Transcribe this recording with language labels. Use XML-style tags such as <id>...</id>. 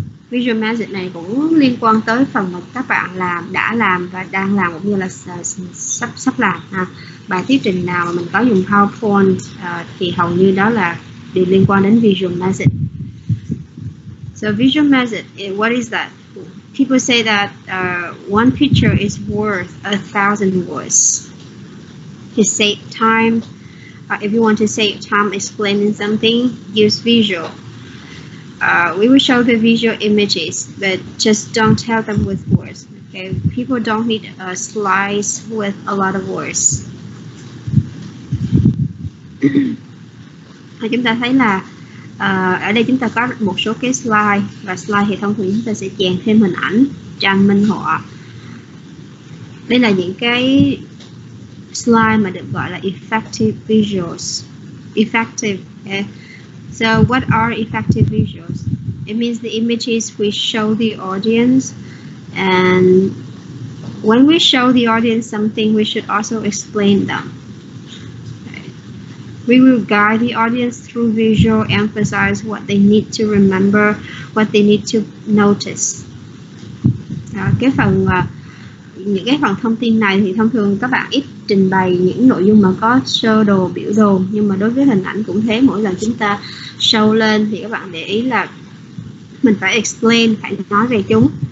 <vi>Visual message này cũng liên quan tới phần mà các bạn làm, đã làm và đang làm cũng như là sắp làm ha. Bài thuyết trình nào mà mình có dùng PowerPoint thì hầu như đó là đều liên quan đến visual message.</vi> <en>So visual message, what is that? people say that one picture is worth a thousand words. To save time, if you want to save time explaining something, use visual. We will show the visual images, but just don't tell them with words. Okay, people don't need a slice with a lot of words.</en> <vi>Chúng ta thấy là ở đây chúng ta có một số cái slide, và slide thì thông thường chúng ta sẽ chèn thêm hình ảnh, tranh, minh họa. Đây là những cái slide mà được gọi là effective visuals.</vi> <en>Effective, okay? So what are effective visuals? It means the images we show the audience. And when we show the audience something, we should also explain them. We will guide the audience through visual, emphasize what they need to remember, what they need to notice.</en> <vi>Đó, cái phần những cái phần thông tin này thì thông thường các bạn ít trình bày những nội dung mà có sơ đồ, biểu đồ, nhưng mà đối với hình ảnh cũng thế, mỗi lần chúng ta show lên thì các bạn để ý là mình phải explain, phải nói về chúng.</vi>